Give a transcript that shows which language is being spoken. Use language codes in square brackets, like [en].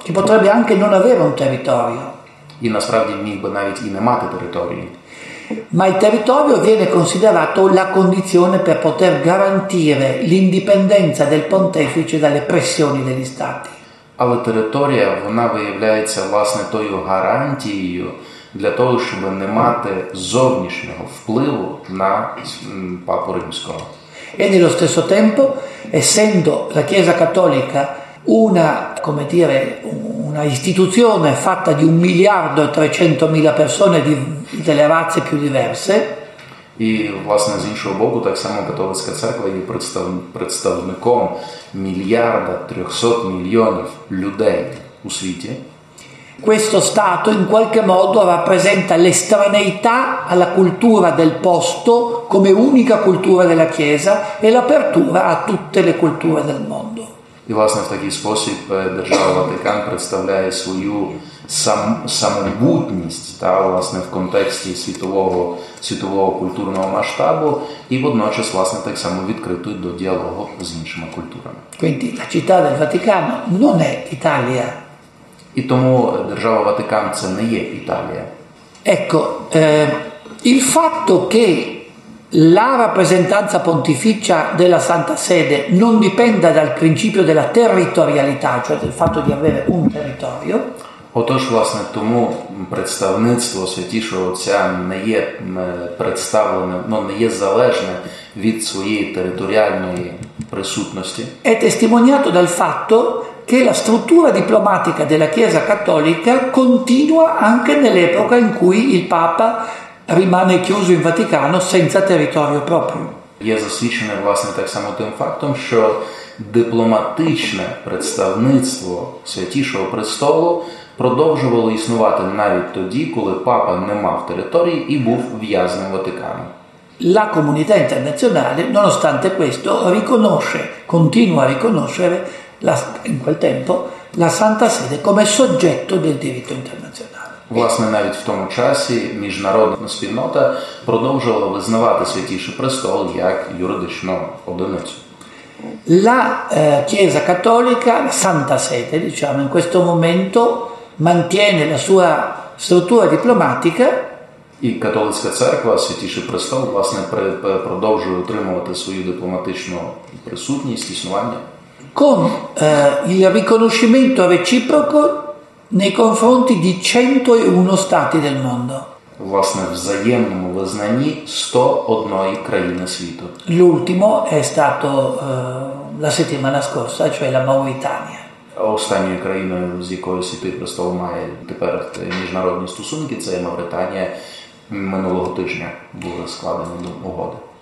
[it] Che potrebbe anche non avere un territorio. [uk] І насправді міг би навіть і не мати території. [it] Ma il territorio viene considerato la condizione per poter garantire l'indipendenza del pontefice dalle pressioni degli stati. [uk] Але територія, вона виявляється, власне, тою гарантією для того, щоб не мати зовнішнього впливу на Папу Римського. [it] E nello stesso tempo, essendo la Chiesa Cattolica una, come dire, una istituzione fatta di 1.300.000 persone di delle razze più diverse. [uk] І, власне, з іншого боку, так само католицька церква є представником 1.300.000.000 людей у світі. [it] Questo stato in qualche modo rappresenta l'estraneità alla cultura del posto come unica cultura della Chiesa e l'apertura a tutte le culture del mondo. [uk] І, власне, в такий спосіб держава Ватикан представляє свою самобутність, та, власне, в контексті світового культурного масштабу і водночас, власне, так само відкритою до діалогу з іншими культурами. [it] Quindi la città del Vaticano non è Italia. [uk] І тому держава Ватикан – це не є Італія. [it] Ecco, il fatto che la rappresentanza pontificia della Santa Sede non dipenda dal principio della territorialità, cioè del fatto di avere un territorio. [uk] Отож, власне, тому представництво Святішого Отця не є представлене, ну, не є залежне від своєї територіальної присутності. [it] È testimoniato dal fatto che la struttura diplomatica della Chiesa Cattolica continua anche nell'epoca in cui il Papa rimane chiuso in Vaticano senza territorio proprio. [uk] Є засвідчене, власне, так само тим фактом, що дипломатичне представництво Святішого Престолу продовжувало існувати навіть тоді, коли Папа не мав території і був в'язним Ватикану. [it] La comunità internazionale, nonostante questo, riconosce, continua a riconoscere la, in quel tempo, la Santa Sede come soggetto del diritto internazionale. [uk] Власне, навіть в тому часі міжнародна спільнота продовжувала визнавати Святіший Престол як юридичну одиницю. [it] La Chiesa Cattolica, la Santa Sede, diciamo, in questo momento mantiene la sua struttura diplomatica. [uk] І католицька церква, Святіший Престол, власне, продовжує отримувати свою дипломатичну присутність, існування. [it] Con il riconoscimento reciproco nei confronti di 101 stati del mondo. [uk] Власне, в взаємному визнанні 101 країни світу. [it] L'ultimo è stato la settimana scorsa, cioè la Mauritania. [uk] Останньою країною, з якою Святий Престол має тепер міжнародні стосунки, це Мавританія. Минулого тижня були складені угоди.